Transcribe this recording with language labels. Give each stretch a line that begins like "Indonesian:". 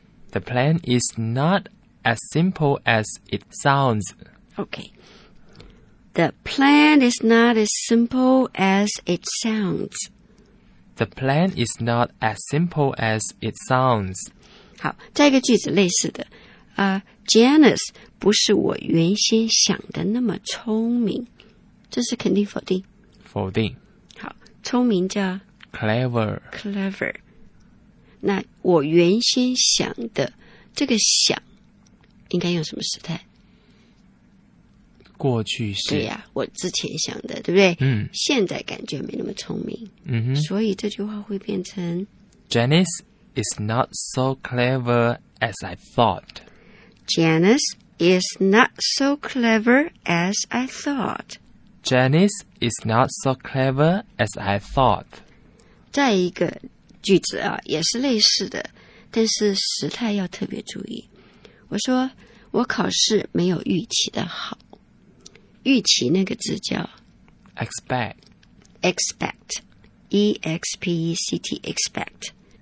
English: The plan is not as simple as it sounds OK The plan is not as simple as it sounds The plan is not as simple as it sounds
Chinese: 好再一个句子类似的、Janice 不是我原先想的那么聪明这是肯定否定否定好聪明叫
English: Clever
Chinese: 那我原先想的这个想应该用什么时态过去式对呀、啊、我之前想的对不对、嗯、现在感觉没那么聪明、嗯、哼所以这句话会变成
English: Janice is not so clever as I thought Janice is not so clever as I thought Janice is not so clever as I thought.
Chinese: 再一个句子啊，也是类似的，但是时态要特别注意。我说我考试没有预期的好。预期那个字叫
English: expect. Expect. E-X-P-E-C-T. Expect.